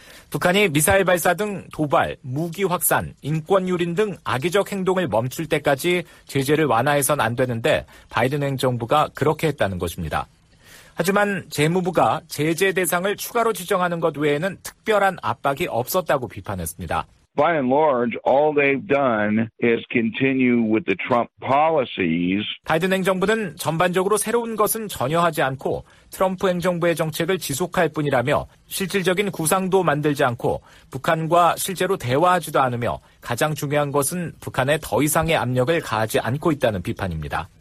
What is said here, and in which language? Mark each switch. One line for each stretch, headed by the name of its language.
Korean: 북한이 미사일 발사 등 도발, 무기 확산, 인권 유린 등 악의적 행동을 멈출 때까지 제재를 완화해선 안 되는데 바이든 행정부가 그렇게 했다는 것입니다. 하지만 재무부가 제재 대상을 추가로 지정하는 것 외에는 특별한 압박이 없었다고 비판했습니다.
English: By and large, all they've done is continue with the Trump policies.
Korean: 바이든 행정부는 전반적으로 새로운 것은 전혀 하지 않고 트럼프 행정부의 정책을 지속할 뿐이라며 실질적인 구상도 만들지 않고 북한과 실제로 대화하지도 않으며 가장 중요한 것은 북한에 더 이상의 압력을 가하지 않고 있다는 비판입니다.